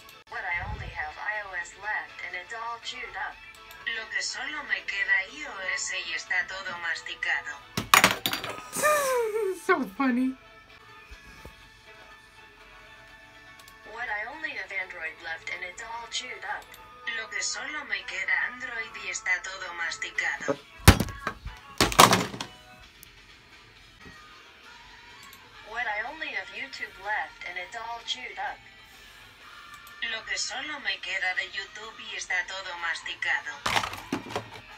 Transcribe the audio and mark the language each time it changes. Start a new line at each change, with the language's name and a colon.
English: What, I only have iOS left and it's all chewed up.
Spanish: Lo que solo me queda iOS y está todo masticado.
English: So funny. What, I only have Android left and it's all chewed up.
Spanish: Lo que solo me queda Android y está todo masticado.
English: YouTube left and it's all chewed up.
Spanish: Lo que solo me queda de YouTube y está todo masticado.